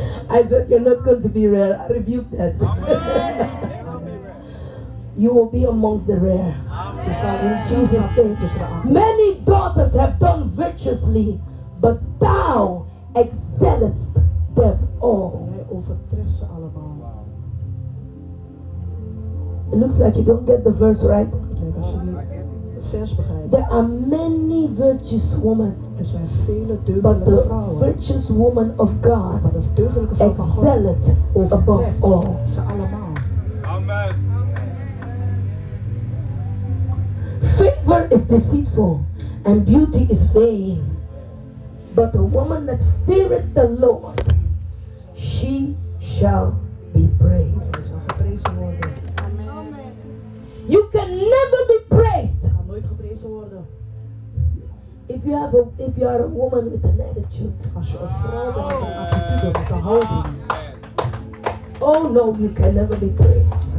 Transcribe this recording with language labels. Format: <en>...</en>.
<en>I said, you're not going to be rare. I rebuke that. You will be amongst the rare. Amen. Jesus said, many daughters have done virtuously, but thou excellest them all.</en> <nl>Hij overtreft ze allemaal.</nl> <en>It looks like you don't get the verse right. There are many virtuous women.</en> <nl>Er zijn vele deugdelijke</nl> <en>but the</en> <nl>vrouwen,</nl> <en>virtuous woman of God excelleth above all.</en> <nl>Ze allemaal.</nl> <en>Amen. Favor is deceitful and beauty is vain. But a woman that feareth the Lord, she shall be praised.</en> <nl>Ze zal geprezen worden.</nl> <en>Amen. You can never be praised.</en> <nl>Je kan nooit geprezen worden.</nl> <en>If you have a, if you are a woman with an attitude,</en> <nl>als je een vrouw bent met een attitude, met een houding.</nl> <en>Oh no, you can never be praised.</en>